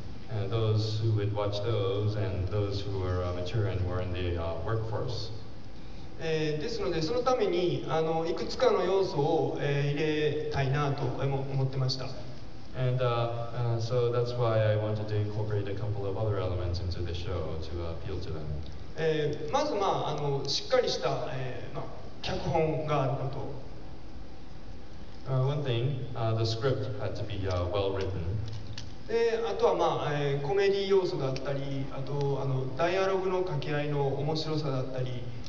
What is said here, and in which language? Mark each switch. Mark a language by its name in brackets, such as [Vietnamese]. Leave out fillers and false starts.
[English] And those who would watch those and those who were mature and were in the workforce. [Japanese] ですので、そのためにいくつかの要素を入れたいなと思ってました。 [English] And so that's why I wanted to incorporate a couple of other elements into the show to appeal to them. [Japanese] まず、しっかりした脚本があること。 [English] One thing, the script had to be well written. [Japanese] で、あとはコメディ要素だったり、あとダイアログの掛け合いの面白さだったり、